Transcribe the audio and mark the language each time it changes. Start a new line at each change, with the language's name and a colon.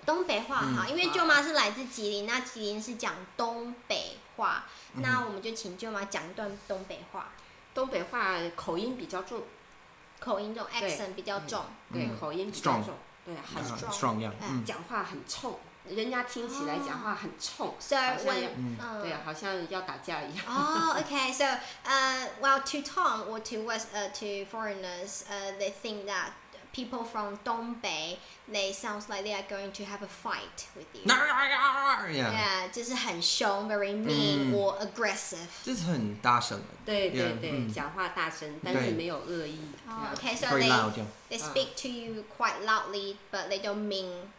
Chinese: 东北话好，因为舅妈是来自吉林，那吉林是讲东北。话，那我们就请舅妈讲一段东北话。东北话口音比较重，口音重 ，accent 比较重，对，口音比较重，对，很
English: strong，
Chinese: 讲话很冲，人家听起来讲话很冲，所以我，对，好像要打架一样。
English: OK，so well to Tom or to West to foreigners, they think that people from Dongbei, they sounds like they are going to have a fight with you. Yeah,
Chinese: 就是很凶
English: very mean or aggressive.
Chinese: 就是很大声。对对对，讲话大声，但是没有恶意。
English: Okay, so they speak to you quite loudly, but they don't mean.